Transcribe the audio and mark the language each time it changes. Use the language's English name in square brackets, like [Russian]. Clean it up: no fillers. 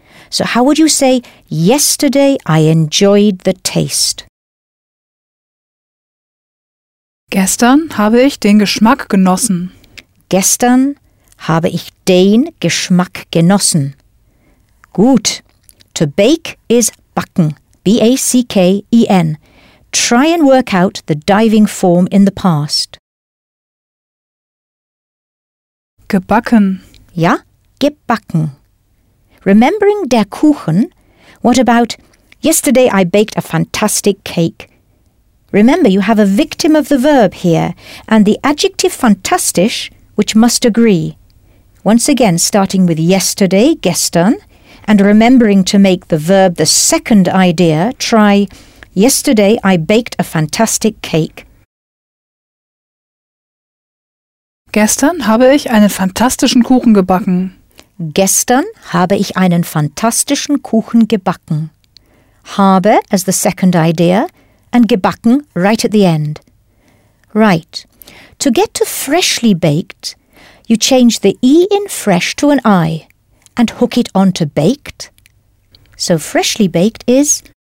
[English] So how would you say, yesterday I enjoyed the taste? [German] Gestern habe ich den Geschmack genossen. Gestern habe ich den Geschmack genossen. Gut. [English] To bake is backen. B-A-C-K-E-N. Try and work out the diving form in the past. [German] Gebacken. Ja, gebacken. [English] Remembering der Kuchen, what about yesterday I baked a fantastic cake? Remember, you have a victim of the verb here and the adjective fantastisch, which must agree. Once again, starting with yesterday, gestern, and remembering to make the verb the second idea, try yesterday I baked a fantastic cake. [German] Gestern habe ich einen fantastischen Kuchen gebacken. Gestern habe ich einen fantastischen Kuchen gebacken. [English] Habe as the second idea, and gebacken right at the end. Right. To get to freshly baked, you change the E in fresh to an I and hook it on to baked. So freshly baked is